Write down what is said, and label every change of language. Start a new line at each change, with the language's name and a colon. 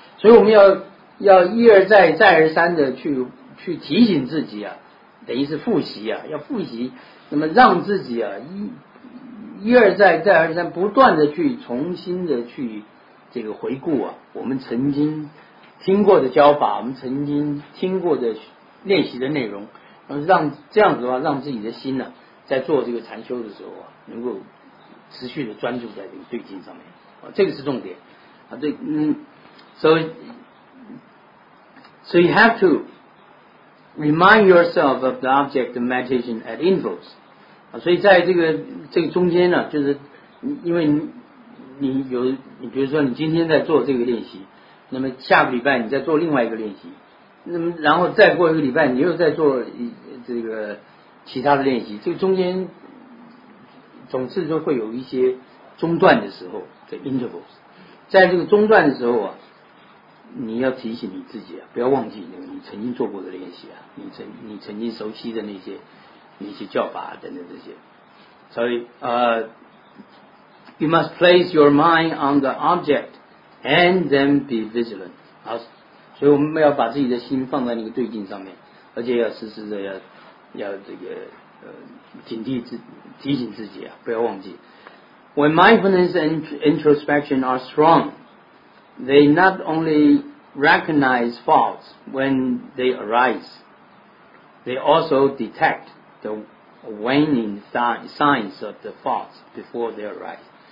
Chinese: 所以我们要一而再、再而三的去提醒自己啊，等于是复习啊，要复习，那么让自己啊一而再、再而三，不断的去重新的去这个回顾啊，我们曾经听过的教法，我们曾经听过的练习的内容，然后让这样子的话，让自己的心呢、啊，在做这个禅修的时候啊，能够持续的专注在这个对境上面啊，这个是重点啊。对，
English: So you have to remind yourself of the object of meditation at intervals.
Chinese: 所以在这个中间呢，就是因为你比如说你今天在做这个练习，那么下个礼拜你再做另外一个练习，那么然后再过一个礼拜你又在做这个其他的练习，这个中间总是说会有一些中断的时候的 intervals。在这个中断的时候啊，你要提醒你自己啊，不要忘记你曾经做过的练习啊，你曾经熟悉的那些教法、啊、等等这些。所以
English: you must place your mind on the object and then be vigilant.
Chinese: 好，所以我们要把自己的心放在那个对境上面，而且要时时的要这个提醒自己啊，不要忘记。
English: When mindfulness and introspection are strong,They not only recognize faults when they arise, they also detect the waning signs of the faults before they arise.